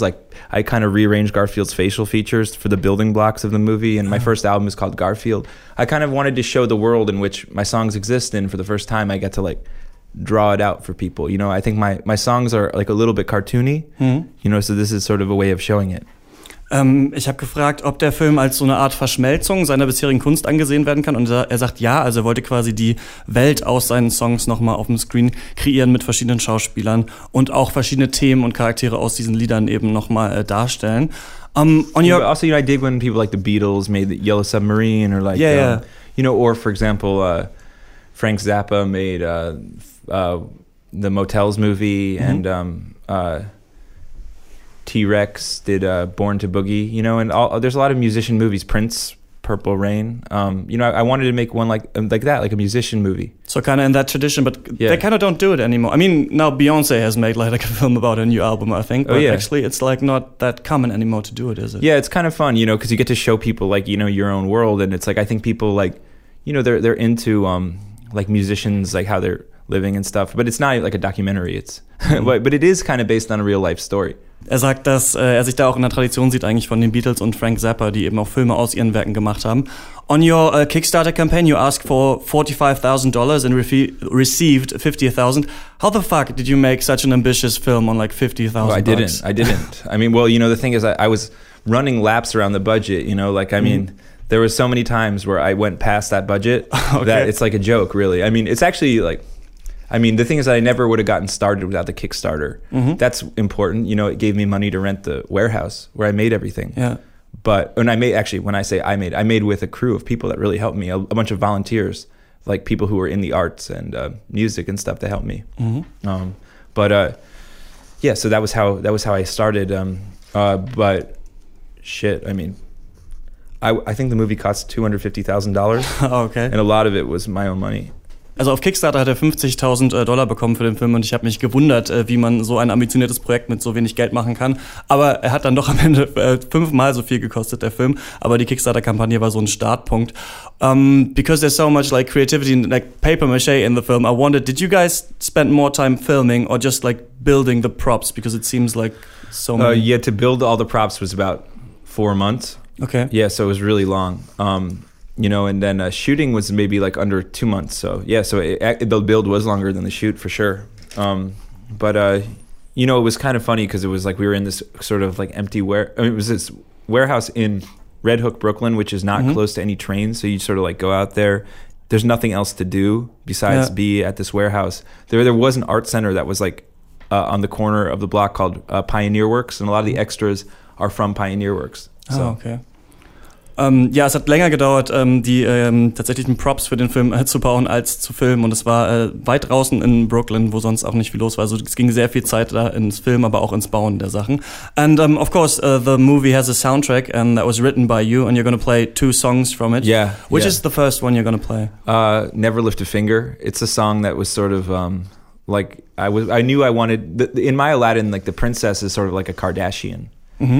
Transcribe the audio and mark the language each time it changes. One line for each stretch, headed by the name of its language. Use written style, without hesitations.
English: Like, I kind of rearranged Garfield's facial features for the building blocks of the movie. And my first album is called Garfield. I kind of wanted to show the world in which my songs exist. And for the first time, I get to like draw it out for people. You know, I think my songs are like a little bit cartoony, you know, so this is sort of a way of showing it.
German: Ich habe gefragt, ob der Film als so eine Art Verschmelzung seiner bisherigen Kunst angesehen werden kann, und er sagt ja, also er wollte quasi die Welt aus seinen Songs nochmal auf dem Screen kreieren mit verschiedenen Schauspielern und auch verschiedene Themen und Charaktere aus diesen Liedern eben nochmal darstellen.
English: I dig when people like the Beatles made the Yellow Submarine, or like, you know, or for example, Frank Zappa made the Motels movie, and T-Rex did Born to Boogie, you know, and there's a lot of musician movies, Prince, Purple Rain. I wanted to make one like that, like a musician movie. So kind of in that tradition, but they kind of don't do it anymore. I mean, now Beyonce has made like a film about a new album, I think, but actually it's like not that common anymore to do it, is it? Yeah, it's kind of fun, you know, because you get to show people like, you know, your own world. And it's like, I think people like, you know, they're into like musicians, like how they're living and stuff, but it's not like a documentary. It's but it is kind of based on a real life story.
German: Er sagt, dass er sich da auch in der Tradition sieht, eigentlich von den Beatles und Frank Zappa, die eben auch Filme aus ihren Werken gemacht haben.
English: On your Kickstarter campaign, you asked for $45,000 and received $50,000. How the fuck did you make such an ambitious film on like $50,000? Well, I didn't. I mean, well, you know, the thing is, I was running laps around the budget, you know, like, I mean, there were so many times where I went past that budget that it's like a joke, really. I mean, it's actually like, I mean, the thing is that I never would have gotten started without the Kickstarter. Mm-hmm. That's important. You know, it gave me money to rent the warehouse where I made everything. Yeah. But, and I made, actually, when I say I made with a crew of people that really helped me, a bunch of volunteers, like people who were in the arts and music and stuff that helped me. Mm-hmm. So that was how I started. I think the movie cost $250,000. Okay. And a lot of it was my own money.
German: Also auf Kickstarter hat er $50,000 bekommen für den Film und ich habe mich gewundert, wie man so ein ambitioniertes Projekt mit so wenig Geld machen kann. Aber er hat dann doch am Ende 5-mal so viel gekostet, der Film. Aber die Kickstarter-Kampagne war so ein Startpunkt.
English: Because there's so much like creativity and like papier-mâché in the film, I wondered, did you guys spend more time filming or just like building the props? Because it seems like so many... Yeah, to build all the props was about 4 months. Okay. Yeah, so it was really long. You know, and then shooting was maybe like under 2 months. So, yeah, so the build was longer than the shoot for sure. You know, it was kind of funny because it was like we were in this sort of like empty it was this warehouse in Red Hook, Brooklyn, which is not close to any trains. So you sort of like go out there. There's nothing else to do besides be at this warehouse. There was an art center that was like on the corner of the block called Pioneer Works. And a lot of the extras are from Pioneer Works. So. Oh, okay.
German: Ja, es hat länger gedauert, die tatsächlichen Props für den Film zu bauen, als zu filmen. Und es war weit draußen in Brooklyn, wo sonst auch nicht viel los war. Also es ging sehr viel Zeit da ins Film, aber auch ins Bauen der Sachen.
English: And of course, the movie has a soundtrack, and that was written by you, and you're gonna play 2 songs from it. Yeah. Which is the first one you're gonna play? Never Lift a Finger. It's a song that was sort of like I knew I wanted in my Aladdin, like the princess is sort of like a Kardashian. Mm-hmm.